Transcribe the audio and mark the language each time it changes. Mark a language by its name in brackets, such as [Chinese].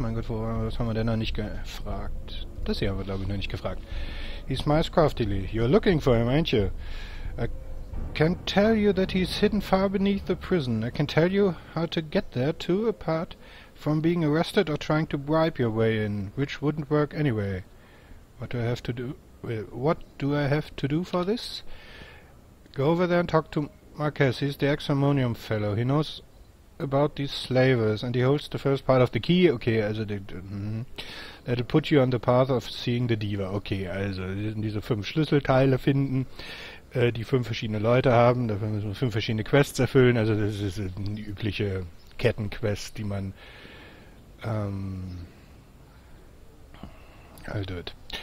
[German] Mein Gott, was haben wir denn noch nicht gefragt? Das hier haben wir, glaube ich, noch nicht gefragt. [English] He smiles craftily. You're looking for him, ain't you? I can tell you that he's hidden far beneath the prison. I can tell you how to get there, too, apart from being arrested or trying to bribe your way in, which wouldn't work anyway. What do I have to do? Well, what do I have to do for this? Go over there and talk to Marquez. He's the ex-harmonium fellow. He knows about these slavers, and he holds the first part of the key. Okay, also the... That'll put you on the path of seeing the diva. [German] Okay, also diese fünf Schlüsselteile finden, die fünf verschiedene Leute haben. Dafür müssen wir fünf verschiedene Quests erfüllen. Also das ist eine übliche Kettenquest, die man halt wird.